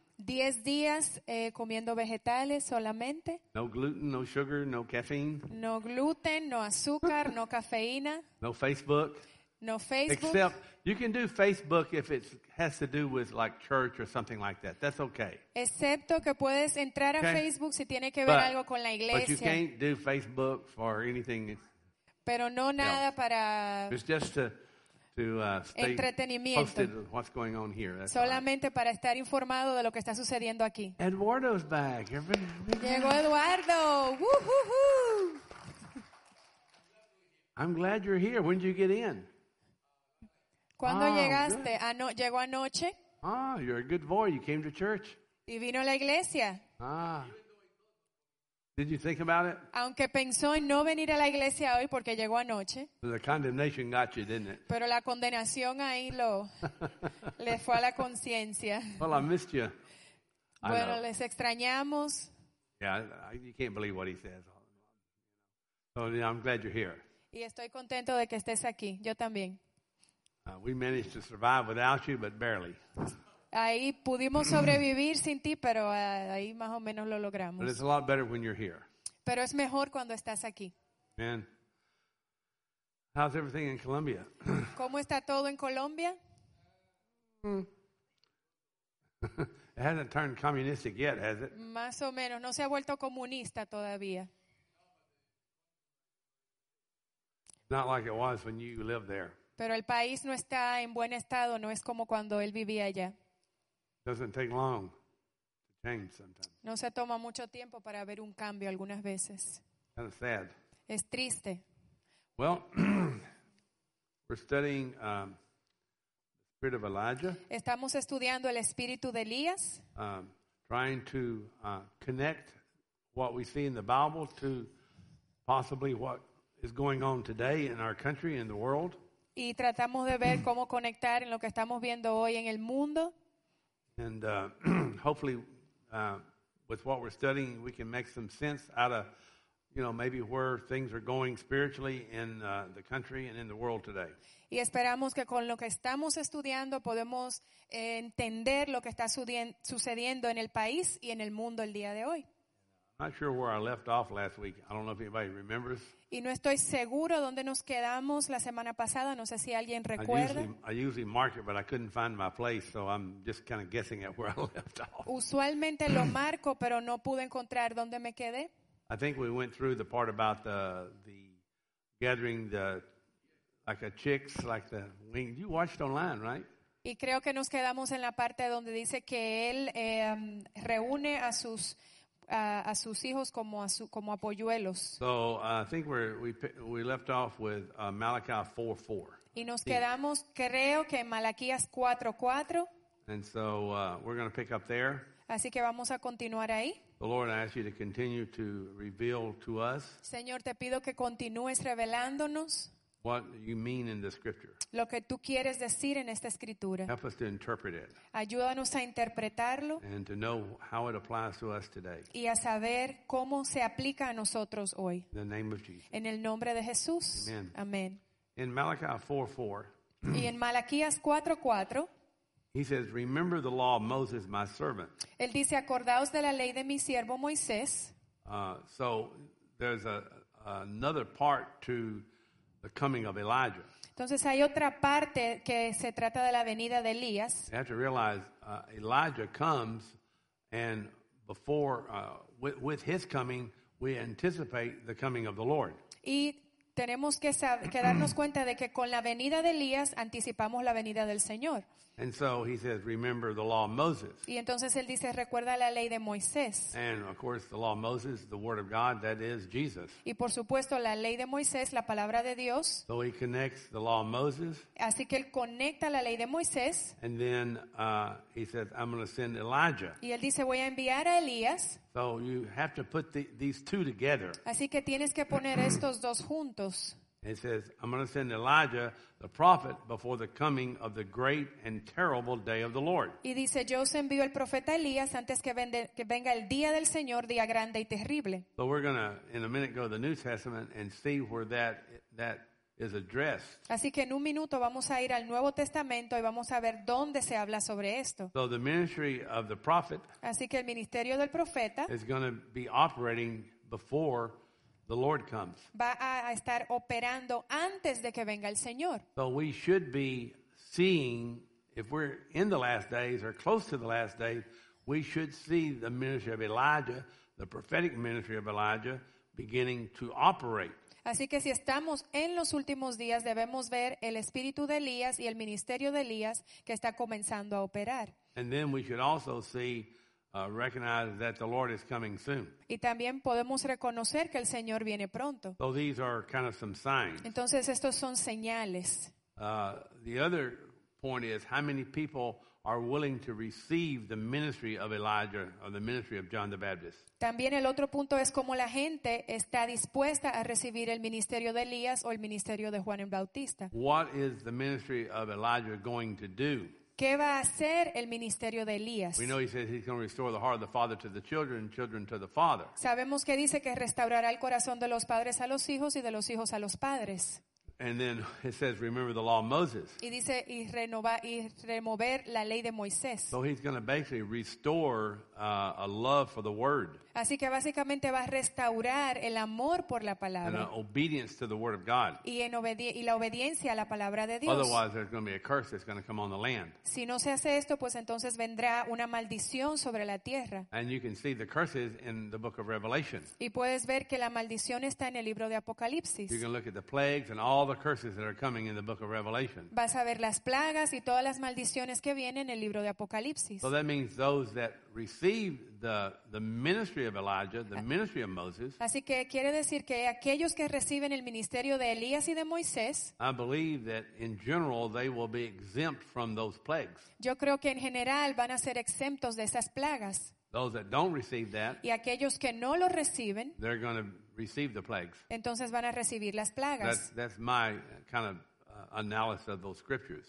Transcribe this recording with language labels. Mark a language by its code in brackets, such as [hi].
[es] 10 días comiendo vegetales solamente. [en] No gluten, no sugar, no caffeine. [es] No gluten, no azúcar, no cafeína. [en] No Facebook. [es] No Facebook. [en] Except you can do Facebook if it has to do with like church or something like that. That's okay. [es] Excepto que puedes entrar a Facebook si tiene que ver algo con la iglesia. [en] But you can't do Facebook for anything. [es] Pero no nada para. [en] It's just to stay [es] entretenimiento. [en] Posted on what's going on here. That's [es] solamente [en] right. [es] Para estar informado de lo que está sucediendo aquí. [en] Eduardo's back. Everybody. [es] Llegó Eduardo. Woo-hoo-hoo. [en] I'm glad you're here. When did you get in? [es] ¿Cuándo llegaste? Llegó anoche. [en] Ah, you're a good boy. You came to church. [es] Y vino a la iglesia. [en] Ah. Did you think about it? [es] Aunque pensó en no venir a la iglesia hoy porque llegó anoche. [en] The condemnation got you, didn't it? [es] Pero la condenación ahí lo le fue a la conciencia. [en] Well, I missed you. [es] Bueno, les extrañamos. [en] Yeah, you can't believe what he says. So yeah, I'm glad you're here. [es] Y estoy contento de que estés aquí. Yo también. [en] We managed to survive without you, but barely. [es] Ahí pudimos sobrevivir sin ti, pero ahí más o menos lo logramos. [en] But it's a lot better when you're here. [es] Pero es mejor cuando estás aquí. [en] And how's everything in Colombia? [es] ¿Cómo está todo en Colombia? [en] It hasn't turned communistic yet, has it? [es] Más o menos. No se ha vuelto comunista todavía. [en] Not like it was when you lived there. [es] Pero el país no está en buen estado, no es como cuando él vivía allá. [en] Doesn't take long to change sometimes. [es] No se toma mucho tiempo para ver un cambio algunas veces. [en] Kind of sad. [es] Es triste. [en] Well, we're studying the spirit of Elijah. [es] Estamos estudiando el espíritu de Elías. [en] Trying to connect what we see in the Bible to possibly what is going on today in our country and the world. [es] Y tratamos de ver cómo conectar en lo que estamos viendo hoy en el mundo. [en] And hopefully with what we're studying we can make some sense out of, you know, maybe where things are going spiritually in the country and in the world today. [es] Y esperamos que con lo que estamos estudiando podemos entender lo que está sucediendo en el país y en el mundo el día de hoy. [en] Not sure where I left off last week. I don't know if anybody remembers. [es] Y no estoy seguro dónde nos quedamos la semana pasada. No sé si alguien recuerda. [en] I usually mark it, but I couldn't find my place, so I'm just kind of guessing at where I left off. [es] Usualmente lo marco, pero no pude encontrar dónde me quedé. [en] I think we went through the part about the gathering the like a chicks, like the wing. You watched online, right? [es] Y creo que nos quedamos en la parte donde dice que él reúne a sus a sus hijos como a polluelos. [en] So I think we left off with Malachi 4:4. [es] Y nos quedamos, creo que en Malaquías 4:4. [en] And so we're going to pick up there. [es] Así que vamos a continuar ahí. [en] The Lord, I ask you to continue to reveal to us. [es] Señor, te pido que continúes revelándonos. [en] What you mean in the scripture. [es] Lo que tú quieres decir en esta escritura. [en] Help us to interpret it. [es] Ayúdanos a interpretarlo. [en] And to know how it applies to us today. [es] Y a saber cómo se aplica a nosotros hoy. [en] In the name of Jesus. [es] En el nombre de Jesús. [en] Amen. [es] Amen. [en] In Malachi 4:4. [es] Y en Malaquías 4:4. [en] He says, "Remember the law of Moses, my servant." [es] Él dice, "Acordaos de la ley de mi siervo Moisés." [en] So there's another part to the coming of Elijah. [es] Entonces hay otra parte que se trata de la venida de Elías. [en] You have to realize Elijah comes, and before with his coming, we anticipate the coming of the Lord. [es] Y tenemos que darnos cuenta de que con la venida de Elías anticipamos la venida del Señor. [en] And so he says, remember the law of Moses. [es] Y entonces él dice, recuerda la ley de Moisés. [en] And of course, the law of Moses, the word of God, that is Jesus. [es] Y por supuesto, la ley de Moisés, la palabra de Dios. [en] So he connects the law of Moses. [es] Así que él conecta la ley de Moisés. [en] And then he says, I'm going to send Elijah. [es] Y él dice, voy a enviar a Elías. [en] So you have to put these two together. [es] Así que tienes que poner estos dos juntos. [en] It says, I'm going to send Elijah, the prophet, before the coming of the great and terrible day of the Lord. [es] Y dice, yo os envío el profeta Elías antes que venga el día del Señor, día grande y terrible. [en] So we're going to, in a minute, go to the New Testament and see where that is addressed. [es] Así que en un minuto vamos a ir al Nuevo Testamento y vamos a ver dónde se habla sobre esto. [en] So the ministry of the prophet, [es] así que el ministerio del profeta, [en] is going to be operating before the Lord comes. [es] Va a estar operando antes de que venga el Señor. [en] So we should be seeing, if we're in the last days or close to the last days, we should see the ministry of Elijah, the prophetic ministry of Elijah, beginning to operate. [es] Así que si estamos en los últimos días, debemos ver el espíritu de Elías y el ministerio de Elías que está comenzando a operar. [en] And then we should also see recognize that the Lord is coming soon. [es] Y también podemos reconocer que el Señor viene pronto. [en] So these are kind of some signs. [es] Entonces estos son señales. [en] The other point is how many people are willing to receive the ministry of Elijah or the ministry of John the Baptist. [es] También el otro punto es cómo la gente está dispuesta a recibir el ministerio de Elías o el ministerio de Juan el Bautista. [en] What is the ministry of Elijah going to do? [es] ¿Qué va a hacer el ministerio de Elías? [en] We know he says he's going to restore the heart of the father to the children, and children to the father. [es] Sabemos que dice que restaurará el corazón de los padres a los hijos y de los hijos a los padres. [en] And then it says, remember the law of Moses. [es] Y dice y remover la ley de Moisés. [en] So he's going to basically restore a love for the word. [es] Así que básicamente va a restaurar el amor por la palabra. [en] And obedience to the word of God. [es] Y la obediencia a la palabra de Dios. [en] Otherwise, there's going to be a curse that's going to come on the land. [es] Si no se hace esto, pues entonces vendrá una maldición sobre la tierra. [en] And you can see the curses in the book of Revelation. [es] Y puedes ver que la maldición está en el libro de Apocalipsis. [en] You can look at the plagues and all the curses that are coming in the book of Revelation. [es] Vas a ver las plagas y todas las maldiciones que vienen en el libro de Apocalipsis. [en] So that means those that receive the ministry of Elijah, the ministry of Moses. [es] Así que quiere decir que aquellos que reciben el ministerio de Elías y de Moisés, [en] I believe that in general they will be exempt from those plagues. [es] Yo creo que en general van a ser exentos de esas plagas. [en] Those that don't receive that, [es] y aquellos que no lo reciben, [en] they're going to receive the plagues. [es] Entonces van a recibir las plagas. [en] That's my kind of analysis of those scriptures.